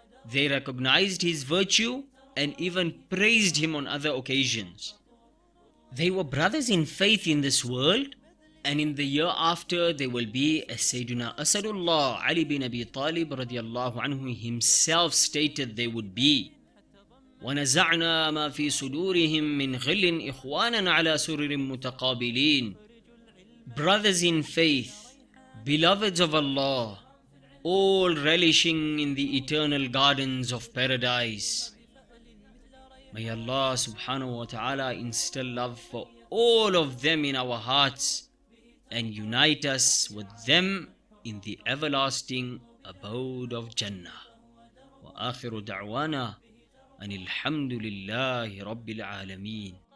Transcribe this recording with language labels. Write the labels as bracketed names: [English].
[English] They recognized his virtue and even praised him on other occasions. They were brothers in faith in this world, and in the year after they will be, as Sayyiduna Asadullah Ali bin Abi Talib radiallahu anhu himself stated they would be. [Arabic] ونزعنا ما في صدورهم من غل إخوانا على سرر متقابلين. [English] Brothers in faith, beloveds of Allah, all relishing in the eternal gardens of paradise. May Allah subhanahu wa ta'ala instill love for all of them in our hearts and unite us with them in the everlasting abode of Jannah. [Arabic] Wa akhiru da'wana أن الحمد لله رب العالمين.